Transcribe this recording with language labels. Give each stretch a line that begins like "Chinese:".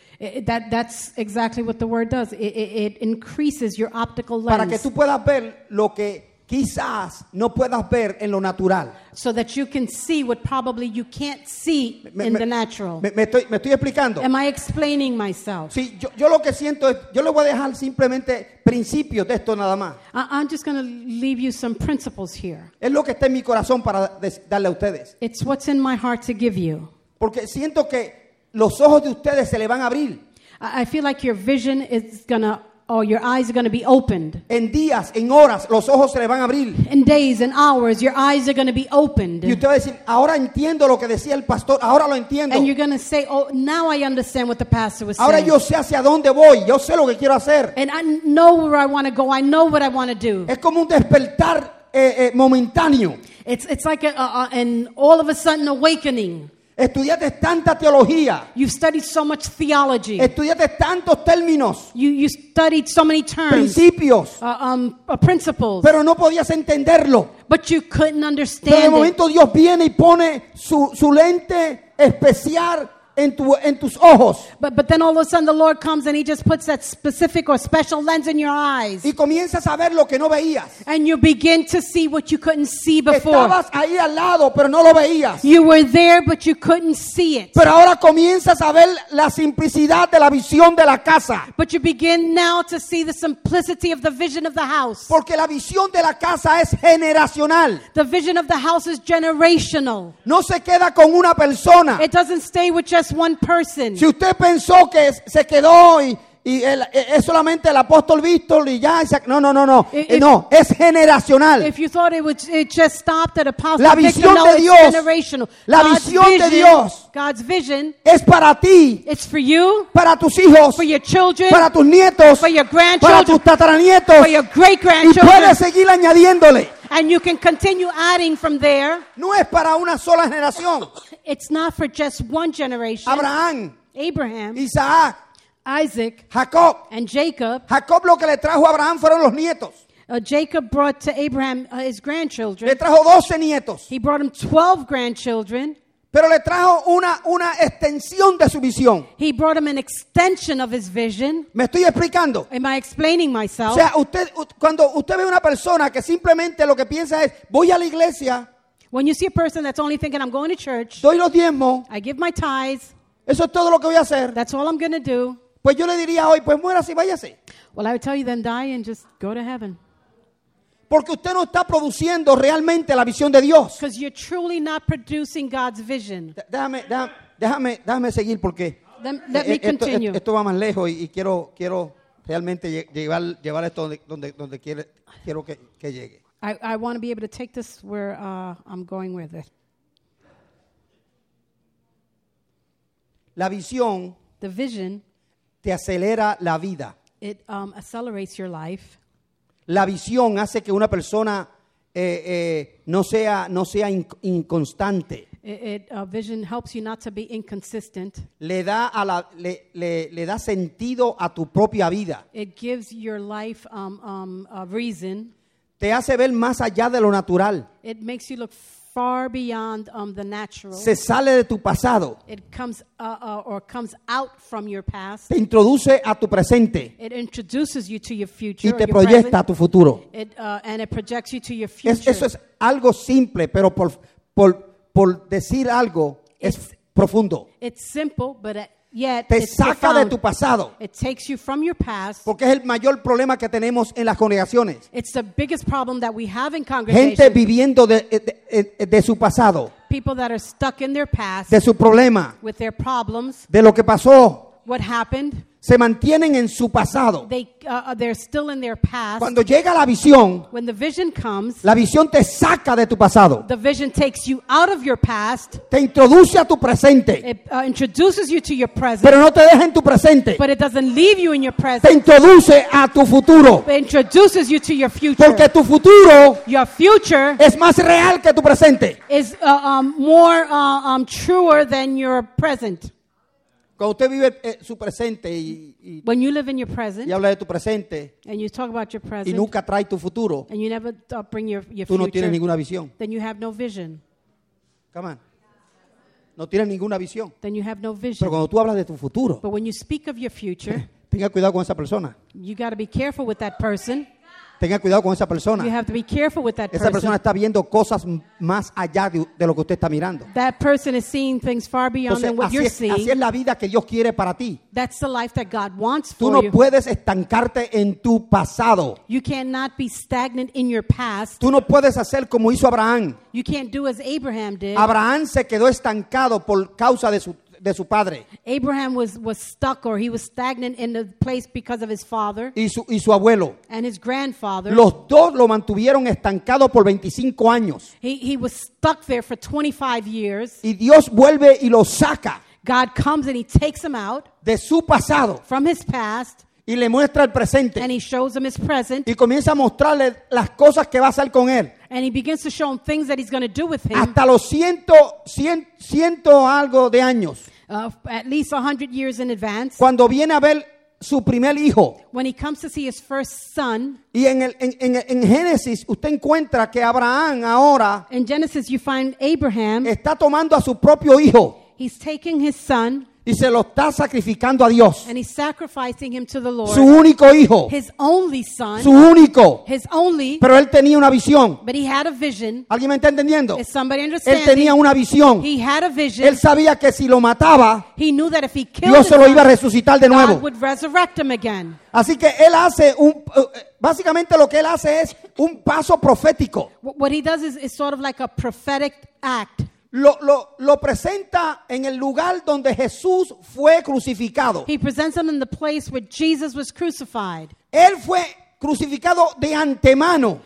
English: That's exactly what the word does. It increases your optical lens.
Spanish: Para que tú puedas ver lo que quizás no puedas ver en lo natural.
English: So that you can see what probably you can't see in the natural.
Spanish: Me estoy explicando.
English: Am I explaining myself?
Spanish: Sí, yo lo que siento es, yo le voy a dejar simplemente principios de esto nada más.
English: I'm just going to leave you some principles here.
Spanish: Es lo que está en mi corazón para darle a ustedes.
English: It's what's in my heart to give you.
Spanish: Porque siento que los ojos de ustedes se le van a abrir.
English: I feel like your vision is going to, oh, your eyes are going to be opened.
Spanish: En días, en horas, los ojos se le van a abrir.
English: In days, in hours, your eyes are going to be opened.
Spanish: Y usted va a decir, ahora entiendo lo que decía el pastor, ahora lo entiendo.
English: And you're going to say, oh, now I understand what the pastor was
Spanish: ahora
English: saying.
Spanish: Ahora yo sé hacia dónde voy, yo sé lo que quiero hacer.
English: And I know where I want to go, I know what I want to do.
Spanish: Es como un despertar momentáneo.
English: It's like an all of a sudden awakening.
Spanish: Estudiaste tanta teología.
English: You've studied so much theology.
Spanish: Estudiaste tantos términos.
English: You studied so many terms.
Spanish: Principios.
English: Principles.
Spanish: Pero no podías entenderlo.
English: But you couldn't understand.
Spanish: Pero de momento
English: it.
Spanish: Dios viene y pone su lente especial en tus ojos.
English: But then all of a sudden the Lord comes and he just puts that specific or special lens in your eyes.
Spanish: Y comienzas a ver lo que no veías.
English: And you begin to see what you couldn't see before.
Spanish: Estabas ahí al lado, pero no lo veías.
English: You were there but you couldn't see it.
Spanish: Pero ahora comienzas a ver la simplicidad de la visión de la casa.
English: But you begin now to see the simplicity of the vision of the house.
Spanish: Porque la visión de la casa es generacional.
English: The vision of the house is generational.
Spanish: No se queda con una persona.
English: It doesn't stay with just one person.
Spanish: Si usted pensó que se quedó y es solamente el apóstol Víctor y ya, no. No, es generacional.
English: If you thought it just stopped at apostle
Spanish: la visión
English: Victor, no,
Spanish: de Dios,
English: it's generational.
Spanish: La visión de Dios,
English: God's vision,
Spanish: es para ti.
English: It's for you.
Spanish: Para tus hijos.
English: For your children.
Spanish: Para tus nietos.
English: For your grandchildren.
Spanish: Para tus tataranietos.
English: For your great grandchildren.
Spanish: Y puedes seguir añadiéndole.
English: And you can continue adding from there.
Spanish: No es para una sola generación.
English: It's not for just one generation.
Spanish: Abraham.
English: Abraham.
Spanish: Isaac.
English: Isaac,
Spanish: Jacob,
English: and Jacob.
Spanish: Jacob lo que le trajo a Abraham fueron los nietos.
English: Jacob brought to Abraham his grandchildren.
Spanish: Le trajo 12 nietos.
English: He brought him 12 grandchildren.
Spanish: Pero le trajo una extensión de su visión.
English: He brought him an extension of his vision.
Spanish: ¿Me estoy explicando?
English: Am I explaining myself?
Spanish: O sea, usted, cuando usted ve una persona que simplemente lo que piensa es, voy a la iglesia.
English: When you see a person that's only thinking, I'm going to church.
Spanish: Doy los diezmos.
English: I give my tithes.
Spanish: Eso es todo lo que voy a hacer.
English: That's all I'm going to do.
Spanish: Pues yo le diría hoy, pues muérase y váyase.
English: Well, I would tell you then die and just go to heaven.
Spanish: Porque usted no está produciendo realmente la visión de Dios.
English: Because you're truly not producing God's vision.
Spanish: Déjame seguir porque
English: let me continue.
Spanish: Esto va más lejos y quiero realmente llevar esto donde quiero que llegue.
English: I want to be able to take this where I'm going with it.
Spanish: La visión,
English: the vision,
Spanish: te acelera la vida.
English: It accelerates your life.
Spanish: La visión hace que una persona no sea inconstante.
English: A vision helps you not to be inconsistent.
Spanish: Le da sentido a tu propia vida.
English: It gives your life a reason.
Spanish: Te hace ver más allá de lo natural.
English: It makes you look far beyond the natural.
Spanish: Se sale de tu pasado.
English: It comes or comes out from your past.
Spanish: Te introduce a tu presente.
English: It introduces you to your future.
Spanish: Y te proyecta a tu futuro.
English: And it projects you to your future.
Spanish: Eso es algo simple, pero por decir algo es profundo.
English: It's simple, but yet
Spanish: te saca de tu pasado.
English: It takes you from your past.
Spanish: Porque es el mayor problema que tenemos en las congregaciones.
English: It's the biggest problem that we have in congregations.
Spanish: Gente viviendo de su pasado.
English: People that are stuck in their past.
Spanish: De su problema.
English: With their problems.
Spanish: De lo que pasó.
English: What happened.
Spanish: Se mantienen en su pasado.
English: They're still in their past.
Spanish: Cuando llega la visión.
English: When the vision comes.
Spanish: La visión te saca de tu pasado.
English: The vision takes you out of your past.
Spanish: Te introduce a tu presente.
English: It introduces you to your present.
Spanish: Pero no te deja en tu presente.
English: But it doesn't leave you in your present.
Spanish: Te introduce a tu futuro.
English: It introduces you to your future.
Spanish: Porque tu futuro.
English: Your future.
Spanish: Es más real que tu presente.
English: Is more truer than your present.
Spanish: Cuando usted vive su presente
English: when you live in your present,
Spanish: y habla de tu presente
English: and you talk about your present,
Spanish: y nunca trae tu futuro
English: and you never bring your
Spanish: tú
English: future,
Spanish: no tienes ninguna visión.
English: Then you have no vision. Come on.
Spanish: No tienes ninguna visión.
English: Then you have no vision.
Spanish: Pero cuando tú hablas de tu futuro,
English: but when you speak of your future,
Spanish: tenga cuidado con esa persona.
English: You got to be careful with that person.
Spanish: Tenga cuidado con esa persona.
English: You have to be careful with that
Spanish: person. Esa persona está viendo cosas más allá de lo que usted está mirando.
English: That person is seeing things far beyond
Spanish: entonces,
English: what you're seeing.
Spanish: Así es la vida que Dios quiere para ti.
English: That's the life that God wants
Spanish: tú
English: for
Spanish: no
English: you.
Spanish: Puedes estancarte en tu pasado.
English: You cannot be stagnant in your past.
Spanish: Tú no puedes hacer como hizo Abraham.
English: You can't do as Abraham did.
Spanish: Abraham se quedó estancado por causa de su padre.
English: Abraham was stuck or he was stagnant in the place because of his father
Spanish: y su abuelo.
English: And his grandfather.
Spanish: Los dos lo mantuvieron estancado por 25 años.
English: He was stuck there for 25 years.
Spanish: Y Dios vuelve y lo saca.
English: God comes and he takes him out
Spanish: de su pasado.
English: From his past.
Spanish: Y le muestra el presente.
English: And he shows him his present.
Spanish: Y comienza a mostrarle las cosas que va a hacer con él.
English: And he begins to show him things that he's going to do with him.
Spanish: Hasta los ciento algo de años.
English: At least 100 years in advance.
Spanish: Cuando viene a ver su primer hijo.
English: When he comes to see his first son.
Spanish: Y en Génesis usted encuentra que Abraham ahora.
English: In Genesis you find Abraham.
Spanish: Está tomando a su propio hijo.
English: He's taking his son.
Spanish: Y se lo está sacrificando a Dios.
English: And he's sacrificing him to the Lord.
Spanish: Su único hijo.
English: His only son.
Spanish: Su único.
English: His only.
Spanish: Pero él tenía una visión.
English: But he had a vision.
Spanish: ¿Alguien me está entendiendo?
English: Is somebody understanding?
Spanish: Él tenía una visión.
English: He had a vision.
Spanish: Él sabía que si lo mataba,
English: he knew that if he killed
Spanish: Dios se lo iba a resucitar de nuevo.
English: God would resurrect him again.
Spanish: Así que él hace un básicamente lo que él hace es un paso profético.
English: What he does is sort of like a prophetic act.
Spanish: Lo presenta en el lugar donde Jesús fue crucificado.
English: He presents him in the place where Jesus was crucified.
Spanish: Él fue crucificado de antemano.